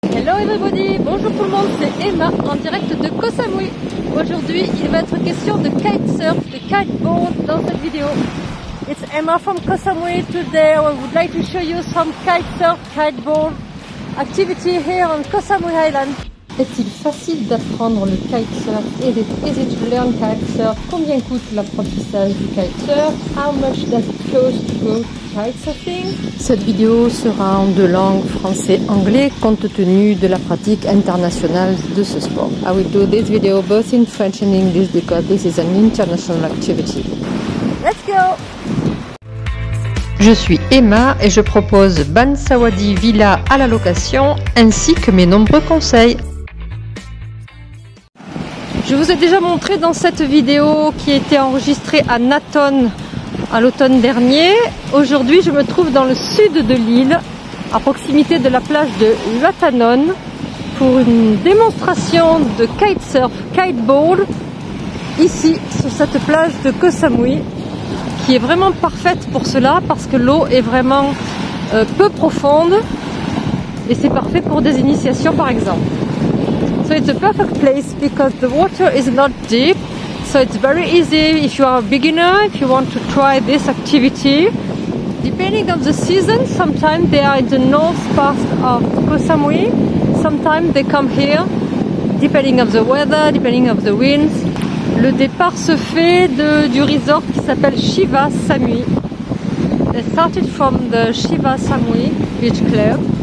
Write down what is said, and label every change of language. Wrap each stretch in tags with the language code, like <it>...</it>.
<en>Hello everybody,</en> <fr>bonjour tout le monde, c'est Emma en direct de Koh Samui. Aujourd'hui, il va être question de kitesurf, de kiteboard dans cette vidéo.</fr> <en>It's Emma from Koh Samui. Today, I would like to show you some kitesurf, kiteboard activity here on Koh Samui Island.</en> <fr>Est-il facile d'apprendre le kitesurf?</fr> <en>Is it easy to learn kitesurf?</en> <fr>Combien coûte l'apprentissage du kitesurf?</fr> <en>How much does it cost to go kitesurfing?</en> <fr>Cette vidéo sera en deux langues, français-anglais, compte tenu de la pratique internationale de ce sport.</fr> <en>I will do this video both in French and English because this is an international activity. Let's go!</en> <fr>Je suis Emma et je propose Ban Sawadi Villa à la location ainsi que mes nombreux conseils. Je vous ai déjà montré dans cette vidéo qui était enregistrée à Natone à l'automne dernier. Aujourd'hui, je me trouve dans le sud de l'île, à proximité de la plage de Ratanon, pour une démonstration de kitesurf, kiteboard, ici, sur cette plage de Koh Samui, qui est vraiment parfaite pour cela, parce que l'eau est vraiment peu profonde, et c'est parfait pour des initiations, par exemple.</fr> <en>So it's a perfect place because the water is not deep, so it's very easy if you are a beginner, if you want to try this activity. Depending on the season, sometimes they are in the north part of Koh Samui, sometimes they come here, depending on the weather, depending on the winds.</en> <fr>Le départ se fait du resort qui s'appelle Shiva Samui.</fr> <en>They started from the Shiva Samui Beach Club.</en>